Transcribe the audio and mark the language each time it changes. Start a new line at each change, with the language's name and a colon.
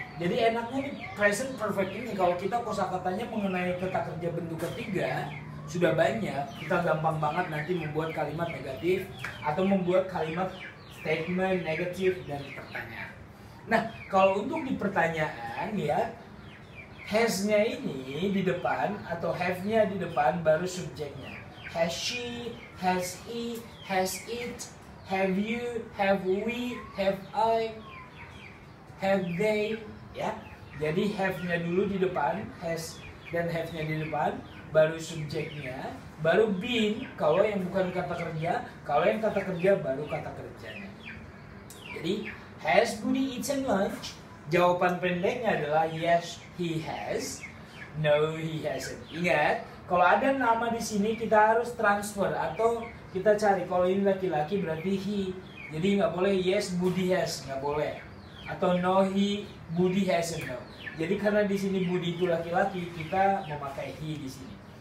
Indonesian: Jadi enaknya di present perfect ini, kalau kita kosa katanya mengenai kata kerja bentuk ketiga, sudah banyak, kita gampang banget nanti membuat kalimat negatif, atau membuat kalimat statement negatif dan pertanyaan. Nah, kalau untuk di pertanyaan ya, has-nya ini di depan atau have-nya di depan baru subjeknya.
English: Has she, has he, has it, have you, have we, have I, have they,
Indonesian: ya. Jadi have-nya dulu di depan, has dan have-nya di depan, baru subjeknya, baru been kalau yang bukan kata kerja, kalau yang kata kerja baru kata kerjanya. Jadi
English: has Budi eaten lunch?
Indonesian: Jawaban pendeknya adalah
English: yes he has, no he hasn't.
Indonesian: Ingat, kalau ada nama di sini kita harus transfer atau kita cari. Kalau ini laki-laki berarti he, jadi nggak boleh
English: yes Budi has,
Indonesian: nggak boleh. Atau
English: no he Budi hasn't,
Indonesian: no. Jadi karena di sini Budi itu laki-laki, kita memakai he di sini.